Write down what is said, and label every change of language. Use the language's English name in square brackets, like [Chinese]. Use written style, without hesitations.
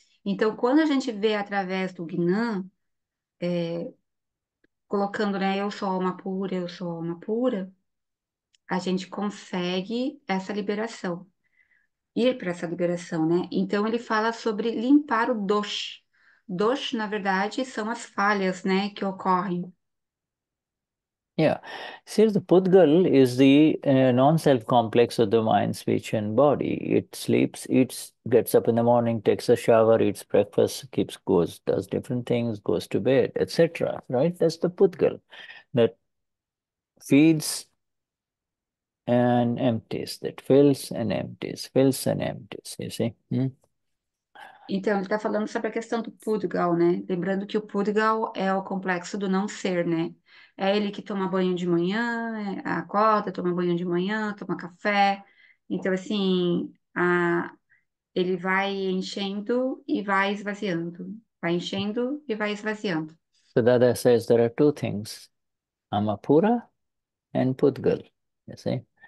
[Portuguese] Então, quando a gente vê através do Gnan, colocando, né, eu sou alma pura, eu sou alma pura, a gente consegue essa liberação, ir para essa liberação, né? Então, ele fala sobre limpar o dosh. Dosh, na verdade, são as falhas, né, que ocorrem. [English] Yeah, see, the Pudgal is the non-self complex of the mind, speech, and body. It sleeps, eats, gets up in the morning, takes a shower, eats breakfast, keeps, goes, does different things, goes to bed, etc. Right? That's the Pudgal that feeds and empties, that fills and empties, you see? [Portuguese] Então, ele está falando sobre a questão do Pudgal, né? Lembrando que o Pudgal é o complexo do não ser, né? É ele que toma banho de manhã, acorda, toma banho de manhã, toma café. Então, assim, ele vai enchendo e vai esvaziando. Vai enchendo e vai esvaziando. [English] So Dada says there are two things, Amapura and Pudgal, you see.